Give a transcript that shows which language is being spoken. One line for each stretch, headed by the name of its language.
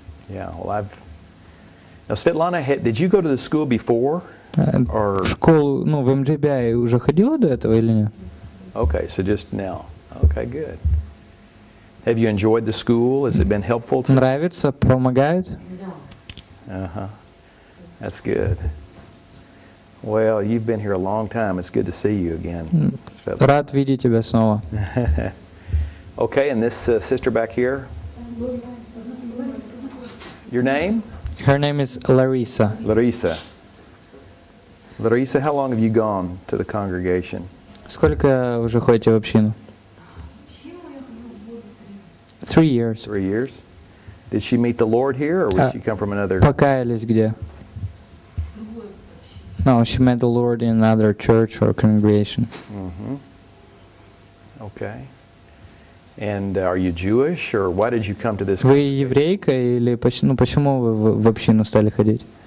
English: Yeah, well Now, Svetlana, did you go to the school before?
Russian: Or в школу, ну, в МЕБИ уже ходила до этого или нет?
English: Okay, so just now. Okay, good. Have you enjoyed the school? Has it been helpful to you?
Russian: Нравится, помогает?
English: Uh-huh. That's good. Well, you've been here a long time. It's good to see you again.
Russian: Рад видеть тебя снова.
English: Okay, and this sister back here? Your name? Her name is Larissa. Larissa. Larissa, how long have you gone to the congregation?
Russian: Сколько уже ходите в общину?
English: 3 years. 3 years. Did she meet the Lord here, or did she come from another?
Russian: Покаялись где?
English: No, she met the Lord in another church or congregation. Mm-hmm. Okay. And are you Jewish, or why did you come to this?
Russian: Вы еврейка или почему почему вы в общину стали ходить?